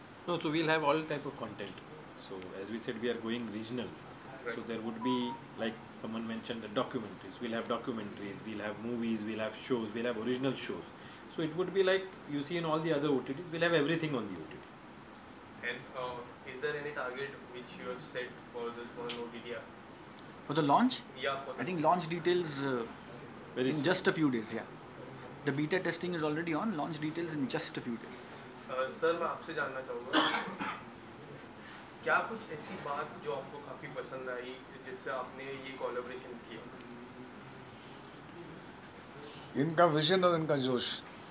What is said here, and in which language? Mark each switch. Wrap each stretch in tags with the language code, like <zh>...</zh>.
<en>No so we will have all type of content, so as we said we are going regional, so there would be like someone mentioned the documentaries, we will have documentaries, we will have movies, we will have shows, we will have original shows, so it would be like you see in all the other OTT, we will have everything on the OTT. And is there any target which you have set for this one ODDR? For the launch? Yeah, for the launch details in just a few days, yeah. The beta testing is already on, launch details in just a few days.</en> <hi>Sir, मैं आपसे जानना चाहूँगा क्या कुछ ऐसी बात जो आपको काफी पसंद आई जिससे आपने ये collaboration किया? इनका vision और इनका जोश</hi>